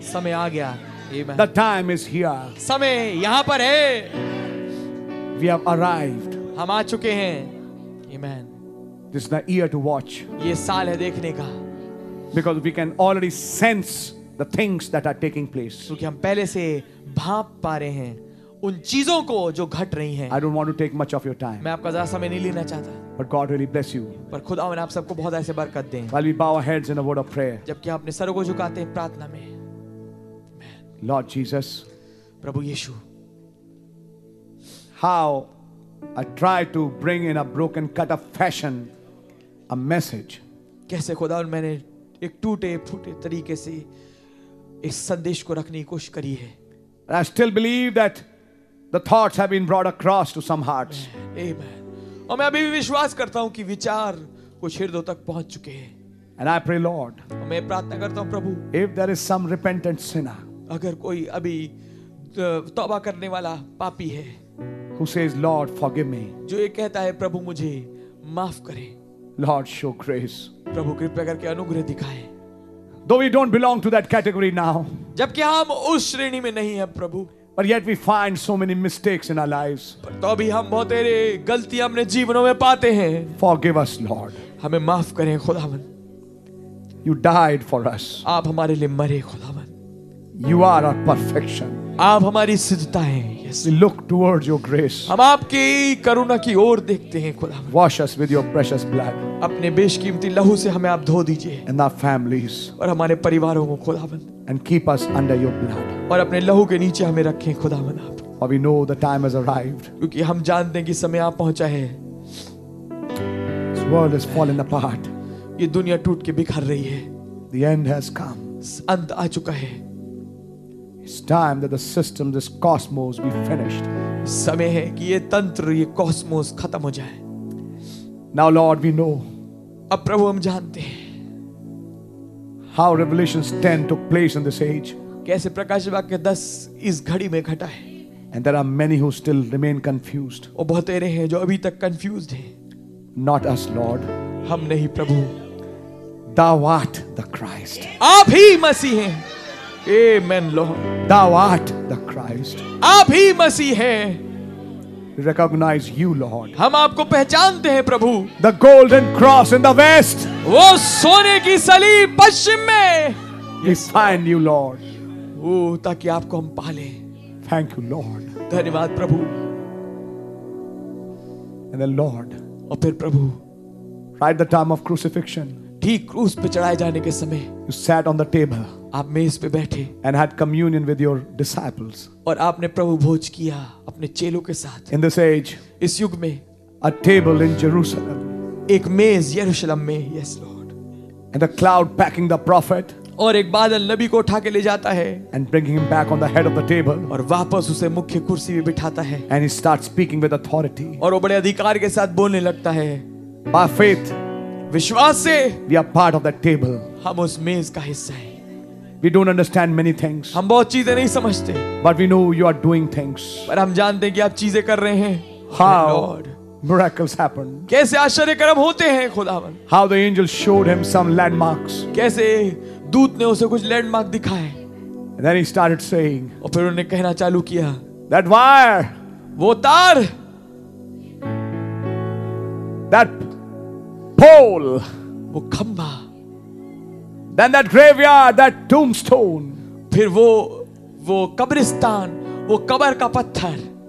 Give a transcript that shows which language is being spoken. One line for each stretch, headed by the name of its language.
Hindi: समय आ गया.
English: The time is here.
Hindi: समय यहाँ पर है.
English: We have arrived.
Hindi: हम आ चुके हैं. Amen.
English: This is the year to watch.
Hindi: ये साल है देखने का.
English: Because we can already sense the things that are taking place.
Hindi: क्योंकि हम पहले से भाप पा रहे हैं उन चीजों को जो घट रही हैं.
English: I don't want to take much of your time.
Hindi: मैं आपका ज़्यादा समय नहीं लेना चाहता.
English: But God really bless you.
Hindi: पर खुदा आप सबको बहुत ऐसे बरकत दें.
English: While we bow our heads in a word of prayer.
Hindi: जबकि आप अपने सरों को झुकाते हैं प्रार्थना में.
English: Lord Jesus,
Hindi: Prabhu Yeshu,
English: how I try to bring in a broken, cut-up fashion a message.
Hindi: कैसे खुदा और मैंने एक टूटे-फूटे तरीके से इस संदेश को रखने की कोशिश करी है.
English: I still believe that the thoughts have been brought across to some hearts. Amen.
Hindi: और मैं अभी भी विश्वास करता हूँ कि विचार कुछ हृदयों तक पहुँच चुके हैं.
English: And I pray, Lord.
Hindi: और मैं प्रार्थना करता हूँ प्रभु.
English: If there is some repentant sinner.
Hindi: अगर कोई अभी तौबा करने वाला पापी है,
English: who says, Lord, forgive me.
Hindi: जो ये कहता है प्रभु मुझे माफ करे.
English: Lord, show grace.
Hindi: प्रभु कृपया करके अनुग्रह दिखाए.
English: Though we don't belong to that category now.
Hindi: जबकि हम उस श्रेणी में नहीं है प्रभु.
English: But yet we find so many mistakes in our lives.
Hindi: पर तो भी हम बहुत तेरे गलतियां अपने जीवनों में पाते हैं.
English: Forgive us, Lord.
Hindi: हमें माफ करें खुदावन.
English: You died for us.
Hindi: आप हमारे लिए मरे खुदावन.
English: You are our perfection.
Hindi: आप हमारी सिद्धता हैं.
English: Yes. We look towards your grace.
Hindi: हम आपकी करुणा की ओर देखते हैं खुदा.
English: Wash us with your precious blood.
Hindi: अपने बेशकीमती लहू से हमें आप धो दीजिए.
English: And our families.
Hindi: और हमारे परिवारों को खुदावन.
English: And keep us under your blood.
Hindi: और अपने लहू के नीचे हमें रखें खुदावन आप.
English: For we know the time has arrived.
Hindi: क्योंकि हम जानते हैं कि समय आ पहुंचा है.
English: This world is falling apart.
Hindi: ये दुनिया टूट के बिखर रही है.
English: The end has come.
Hindi: अंत आ चुका है.
English: It's time that the system, this cosmos, be finished.
Hindi: समय है कि ये तंत्र, ये कॉस्मोस खत्म हो जाए.
English: Now, Lord, we know.
Hindi: अब प्रभु हम जानते हैं.
English: How Revelations 10 took place in this age.
Hindi: कैसे प्रकाशित वाक्य 10 इस घड़ी में घटा है.
English: And there are many who still remain confused.
Hindi: वो बहुत तेरे हैं जो अभी तक confused हैं.
English: Not us, Lord.
Hindi: हम नहीं प्रभु.
English: Thou art the Christ.
Hindi: आप ही मसीह हैं.
English: Amen, Lord. Thou art the Christ.
Hindi: आप ही मसीह हैं.
English: Recognize you, Lord.
Hindi: हम आपको पहचानते हैं प्रभु.
English: The golden cross in the west.
Hindi: वो सोने की सलीब पश्चिम में.
English: We find you, Lord.
Hindi: वो ताकि आपको हम पाले.
English: Thank you, Lord.
Hindi: धन्यवाद प्रभु.
English: And then, Lord.
Hindi: और फिर प्रभु.
English: Right the time of crucifixion.
Hindi: ठीक क्रूस पे चढ़ाए जाने के समय.
English: You sat on the table.
Hindi: आप मेज पे बैठे.
English: And had communion with your disciples.
Hindi: और आपने प्रभु भोज किया अपने चेलों के साथ.
English: In this age.
Hindi: इस युग में.
English: A table in Jerusalem.
Hindi: एक मेज यरूशलम में.
English: Yes, Lord. And the cloud packing the prophet.
Hindi: और एक बादल नबी को उठा के ले जाता है.
English: And bringing him back on the head of the table.
Hindi: और वापस उसे मुख्य कुर्सी पे बिठाता है.
English: And he starts speaking with authority.
Hindi: और वो बड़े अधिकार के साथ बोलने लगता है.
English: By faith.
Hindi: विश्वास से.
English: We are part of that table.
Hindi: हम उस मेज का हिस्सा हैं.
English: We don't understand many things.
Hindi: हम बहुत चीजें नहीं समझते.
English: But we know you are doing things.
Hindi: पर हम जानते हैं कि आप चीजें कर रहे हैं.
English: How Lord. Miracles happen.
Hindi: कैसे आश्चर्यकर्म होते हैं खुदावन.
English: How the angel showed him some landmarks.
Hindi: कैसे दूत ने उसे कुछ लैंडमार्क दिखाए.
English: And then he started saying.
Hindi: और फिर उन्होंने कहना चालू किया.
English: That wire.
Hindi: वो तार.
English: That pole.
Hindi: वो खंभा.
English: Then that graveyard, that tombstone.
Hindi: फिर वो कब्रिस्तान, वो कब्र का पत्थर.